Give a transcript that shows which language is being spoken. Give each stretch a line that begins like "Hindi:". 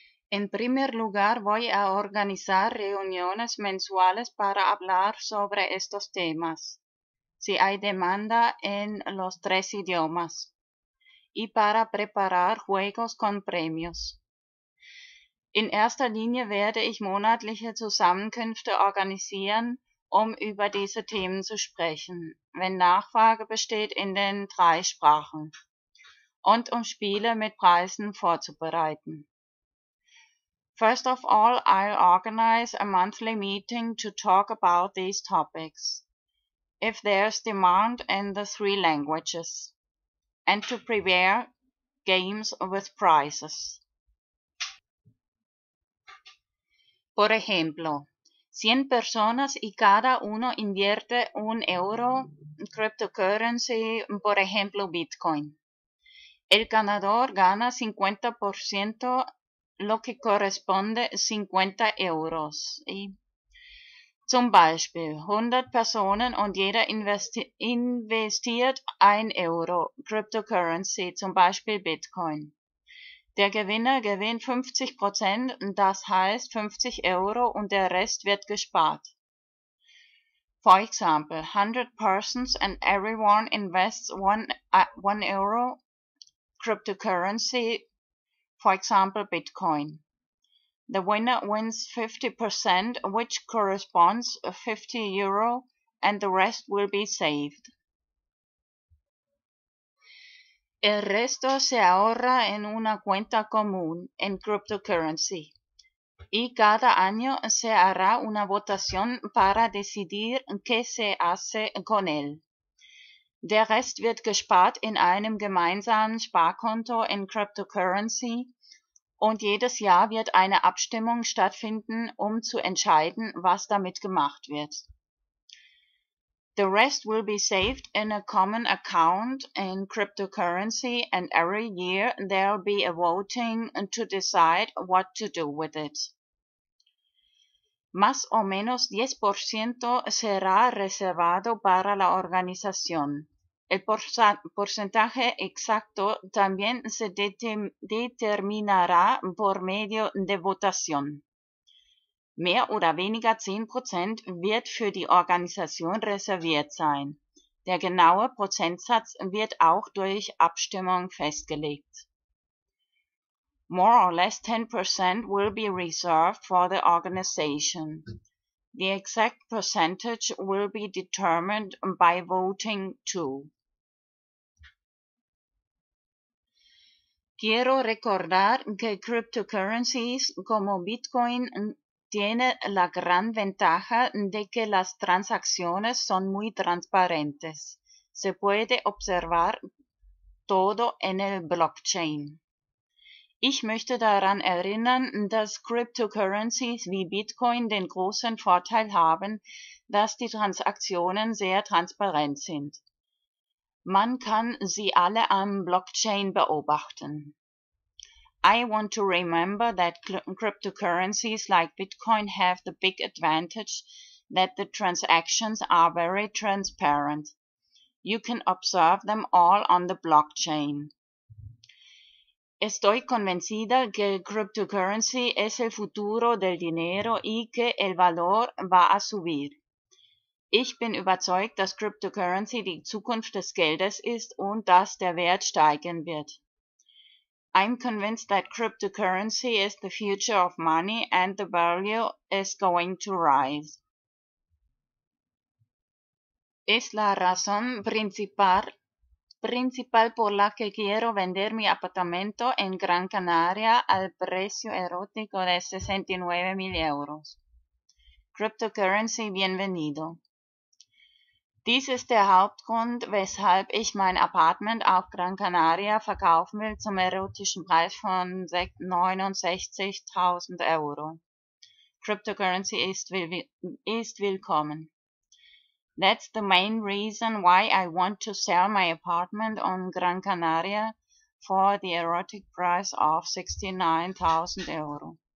Spanish: En primer lugar, voy a organizar reuniones mensuales para hablar sobre estos temas, si hay demanda en los tres idiomas, y para preparar juegos con premios.
German: In erster Linie werde ich monatliche Zusammenkünfte organisieren, um über diese Themen zu sprechen, wenn Nachfrage besteht in den drei Sprachen, und um Spiele mit Preisen vorzubereiten.
English: First of all, I'll organize a monthly meeting to talk about these topics, if there's demand in the three languages, and to prepare games with prizes.
Spanish: Por ejemplo, 100 personas y cada uno invierte un euro en cryptocurrency, por ejemplo Bitcoin. El ganador gana 50%, lo que corresponde 50 euros.
German: Y zum Beispiel 100 Personen und jeder investiert 1 Euro Cryptocurrency, zum Beispiel Bitcoin. Der Gewinner gewinnt 50%, das heißt 50 Euro und der Rest wird gespart.
English: For example, 100 persons and everyone invests 1 Euro Cryptocurrency, for example Bitcoin. The winner wins 50%, which corresponds to 50 euro, and the rest will be saved.
Spanish: El resto se ahorra en una cuenta común, en cryptocurrency. Y cada año se hará una votación para decidir qué se hace con él.
German: Der Rest wird gespart in einem gemeinsamen Sparkonto in cryptocurrency, Und jedes Jahr wird eine Abstimmung stattfinden, um zu entscheiden, was damit gemacht wird.
English: The rest will be saved in a common account in cryptocurrency, and every year there'll be a voting to decide what to do with it.
Spanish: Más o menos 10% será reservado para la organización. El porcentaje exacto también se determinará por medio de votación.
German: Mehr oder weniger 10% wird für die Organisation reserviert sein. Der genaue Prozentsatz wird auch durch Abstimmung festgelegt.
English: More or less 10% will be reserved for the organization. The exact percentage will be determined by voting too.
Spanish: Quiero recordar que cryptocurrencies como Bitcoin tiene la gran ventaja de que las transacciones son muy transparentes. Se puede observar todo en el Blockchain.
German: Ich möchte daran erinnern, dass Cryptocurrencies wie Bitcoin den großen Vorteil haben, dass die Transaktionen sehr transparent sind. Man kann sie alle am Blockchain beobachten.
English: I want to remember that cryptocurrencies like Bitcoin have the big advantage that the transactions are very transparent. You can observe them all on the blockchain.
Spanish: Estoy convencida que cryptocurrency es el futuro del dinero y que el valor va a subir.
German: Ich bin überzeugt, dass cryptocurrency die Zukunft des Geldes ist und dass der Wert steigen wird.
English: I'm convinced that cryptocurrency is the future of money and the value is going to rise.
Spanish: Es la razón principal por la que quiero vender mi apartamento en Gran Canaria al precio erótico de 69.000 euros. Cryptocurrency, bienvenido.
German: Dies ist der Hauptgrund, weshalb ich mein Apartment auf Gran Canaria verkaufen will zum erotischen Preis von 69.000 Euro. Cryptocurrency ist willkommen.
English: That's the main reason why I want to sell my apartment on Gran Canaria for the erotic price of 69.000 Euro.